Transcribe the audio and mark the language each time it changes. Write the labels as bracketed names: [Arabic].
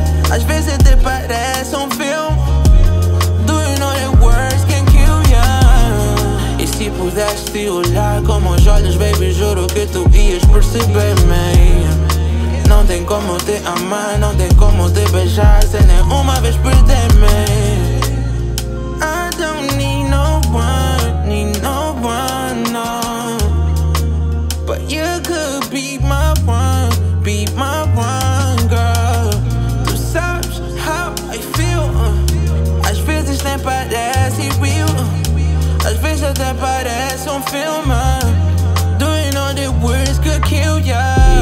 [Portuguese] Às vezes até parece um filme. [English] Do you know that words can kill you? [Portuguese] E se pudesse te olhar com meus olhos, baby, juro que tu ias perceber-me. Não tem como te amar, não tem como te beijar sem nenhuma vez perder-me. [English] I don't need no one, need no one, no. But you could be my one, be my one, girl. [Portuguese] Tu sabes [English] how I feel. [Portuguese] Às vezes nem parece real. Às vezes até parece um filme. [English] Do you know the words could kill ya?